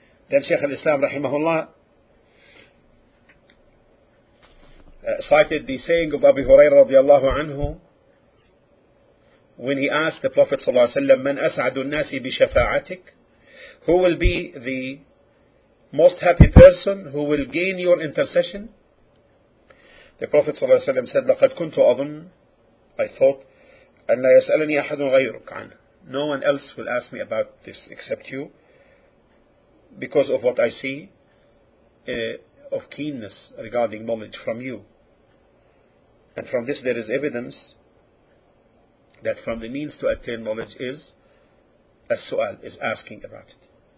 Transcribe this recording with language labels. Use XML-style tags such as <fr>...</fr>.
<en>Then Shaykh al-Islam rahimahullah cited the saying of Abu Hurairah radiallahu anhu, when he asked the Prophet صلى الله عليه وسلم,</en> <ar>من أسعد الناس بشفاعتك,</ar> <en>who will be the most happy person who will gain your intercession? The Prophet صلى الله عليه وسلم said,</en> <ar>لقد كنت أظن,</ar> <en>I thought,</en> <ar>أن لا يسألني أحد غيرك عنه.</ar> <en>No one else will ask me about this except you, because of what I see of keenness regarding knowledge from you. And from this there is evidence that from the means to attain knowledge is as-su'al, is asking about it.</en>